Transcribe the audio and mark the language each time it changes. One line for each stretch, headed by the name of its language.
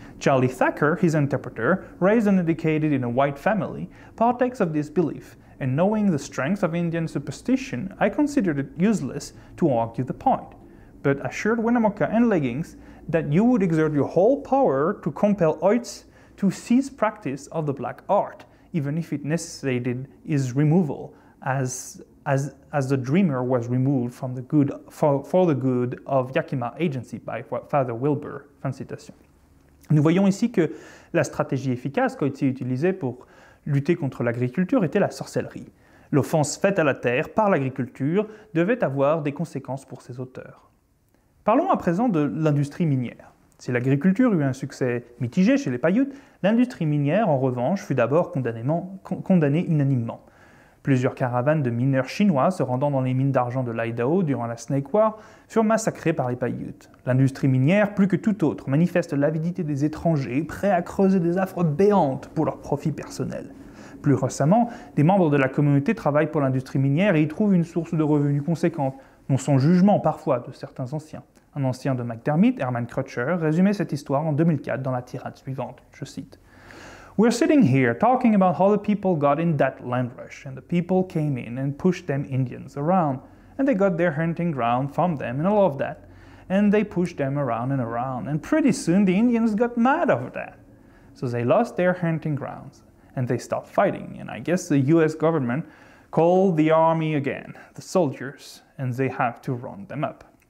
English: Charlie Thacker, his interpreter, raised and educated in a white family, partakes of this belief, and knowing the strength of Indian superstition, I considered it useless to argue the point, but assured Winnemucca and Leggings that you would exert your whole power to compel Oitz to cease practice of the black art, even if it necessitated his removal, as the dreamer was removed from the good for the good of Yakima Agency by Father Wilbur.
French: Fin de citation. Nous voyons ici que la stratégie efficace qu'Oitz utilisait pour lutter contre l'agriculture était la sorcellerie. L'offense faite à la terre par l'agriculture devait avoir des conséquences pour ses auteurs. Parlons à présent de l'industrie minière. Si l'agriculture eut un succès mitigé chez les Paiutes, l'industrie minière, en revanche, fut d'abord condamnée unanimement. Plusieurs caravanes de mineurs chinois se rendant dans les mines d'argent de l'Idaho durant la Snake War furent massacrées par les Paiutes. L'industrie minière, plus que tout autre, manifeste l'avidité des étrangers, prêts à creuser des affres béantes pour leur profit personnel. Plus récemment, des membres de la communauté travaillent pour l'industrie minière et y trouvent une source de revenus conséquente, dont son jugement parfois de certains anciens. Un ancien de McDermott, Herman Crutcher, résumait cette histoire en 2004 dans la tirade suivante, je cite.
English: We're sitting here talking about how the people got in that land rush, and the people came in and pushed them Indians around, and they got their hunting ground from them and all of that, and they pushed them around, and pretty soon the Indians got mad over that. So they lost their hunting grounds, and they stopped fighting, and I guess the US government called the army again, the soldiers, and they have to round them up.